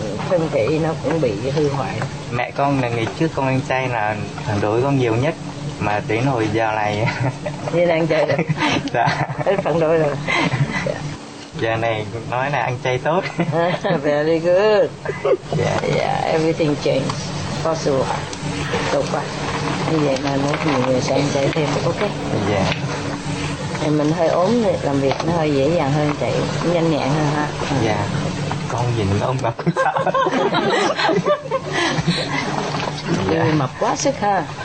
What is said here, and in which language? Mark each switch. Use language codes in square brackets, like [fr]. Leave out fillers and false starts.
[vi] thân thể nó cũng bị hư hoại. Mẹ con là ngày trước con ăn chay là phản đối con nhiều nhất, mà đến hồi giờ này thì đang chơi được. Dạ. Hết phản đối rồi. Giờ này nói là ăn chay tốt. [en] Very good. Yeah, yeah, everything changed. Possible. [vi] Tốt quá. Như vậy mà muốn nhiều người sẽ ăn chay thêm, ok? Dạ. [en] Yeah. [vi] Mình hơi ốm làm việc nó hơi dễ dàng hơn, chạy nhanh nhẹn hơn ha. Dạ. [en] Yeah. [vi] Con nhìn ông mập sao? Người mập quá sức ha.